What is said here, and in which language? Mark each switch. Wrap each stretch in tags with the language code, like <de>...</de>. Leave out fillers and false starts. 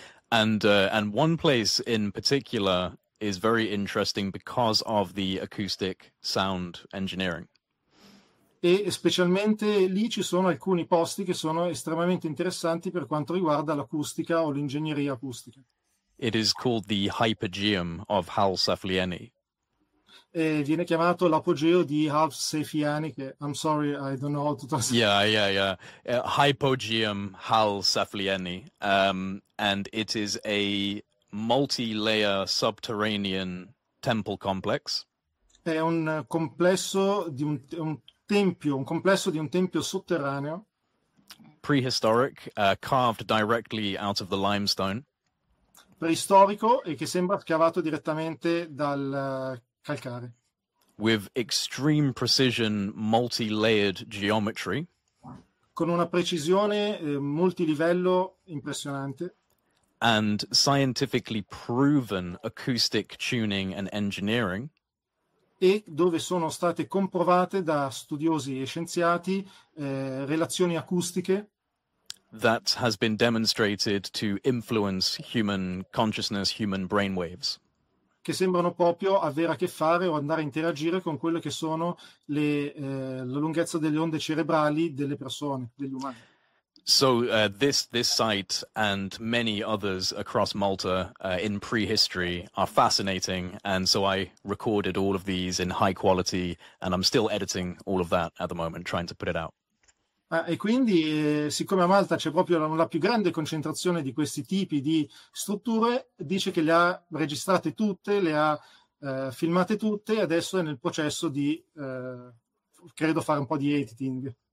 <en>And one place in particular is very interesting because of the acoustic sound engineering.</en> <it>E specialmente lì ci sono alcuni posti che sono estremamente interessanti per quanto riguarda l'acustica o l'ingegneria acustica.</it> <en>It is called the hypogeum of Hal Saflieni.</en> <it>E viene chiamato l'apogeo di Hal Saflieni, che</it> <en>I'm sorry, I don't know how to translate. Hypogeum Hal Saflieni. And it is a multi-layer subterranean temple complex.</en> <it>È un complesso di un tempio, un complesso di un tempio sotterraneo.</it> <en>Prehistoric, carved directly out of the limestone.</en> <it>Preistorico e che sembra scavato direttamente dal calcare.</it> <en>With extreme precision, multi-layered geometry.</en> <it>Con una precisione multilivello impressionante.</it> <en>And scientifically proven acoustic tuning and engineering.</en> <it>E dove sono state comprovate da studiosi e scienziati relazioni acustiche.</it> <en>That has been demonstrated to influence human consciousness, human brainwaves.</en> <it>Che sembrano proprio avere a che fare o andare a interagire con quelle che sono la lunghezza delle onde cerebrali delle persone, degli umani.</it> <en>So this site and many others across Malta in prehistory are fascinating, and so I recorded all of these in high quality, and I'm still editing all of that at the moment, trying to put it out.</en> <it>Ah, e quindi, siccome a Malta c'è proprio la più grande concentrazione di questi tipi di strutture, dice che le ha registrate tutte, le ha filmate tutte, e adesso è nel processo di, credo, fare un po' di editing.</it>